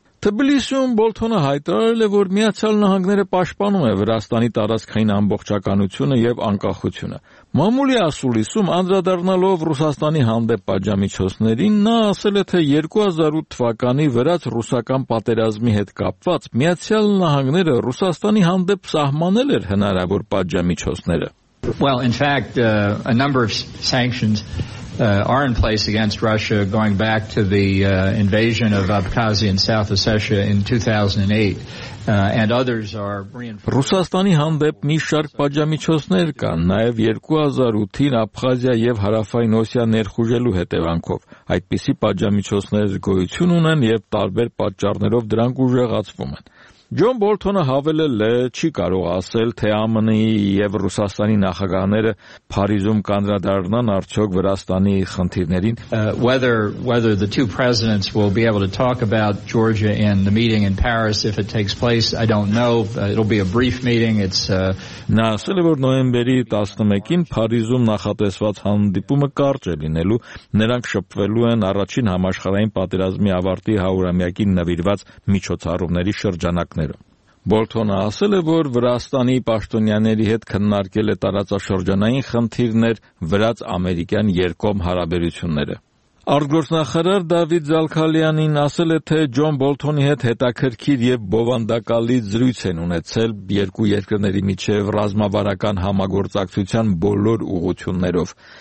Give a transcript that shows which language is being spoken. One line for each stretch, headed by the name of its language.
Armenian: Թբիլիսիում Բոլթոնը հայտարարել է, որ Միացյալ Նահանգները պաշտպանում է Վրաստանի տարածքային ամբողջականությունը և անկախությունը։ Մամուլի ասուլիսում, անդրադառնալով Ռուսաստանի հանդեպ պատժամիջոցներին, նա ասել է, թե 2008 թվականի վրաց-ռուսական պատերազմի հետ կապված Միացյալ Նահանգները Ռուսաստանի հանդեպ սահմանել էր հնարավոր պատժամիջոցները։
English: Well, in fact, a number of sanctions are in place against Russia going back to the invasion of Abkhazia and South Ossetia in 2008, and others are reinforced.
Armenian: Ռուսաստանի հանդեպ մի շարք պատժամիջոցներ կան, նաև 2008-ին Աբխազիա և Հարավային Օսիա ներխուժելու հետևանքով։ Այդպիսի պատժամիջոցներ գոյություն ունեն և տարբեր պատճառներով դրանք ուժեղացվում են։ Ջոն Բոլթոնը հավելել է, չի կարող ասել, թե ԱՄՆ-ի և Ռուսաստանի նախագահները Փարիզում կանդրադառնան արդյոք Վրաստանի խնդիրներին։
English: Whether the two presidents will be able to talk about Georgia in the meeting in Paris if it takes place, I don't know. It'll be a brief meeting.
Armenian: Նա ասել է, որ նոյեմբերի 11-ին Փարիզում նախատեսված հանդիպումը կարճ է լինելու, նրանք շփվելու են առաջին համաշխարհային պատերազմի ավարտի 100-ամյակի նվիրված միջոցառումների շրջանակ։ Բոլթոնը ասել է, որ Վրաստանի պաշտոնյաների հետ քննարկել է տարածաշրջանային խնդիրներ, վրաց ամերիկյան երկկողմ հարաբերությունները։ Արտգործնախարար Դավիթ Զալքալյանին ասել է, թե Ջոն Բոլթոնի հետ հետաքրքիր և բովանդակալի զրույց են ունեցել երկու երկրների միջև ռազմավարական համագործակցության բոլոր ուղղություններով։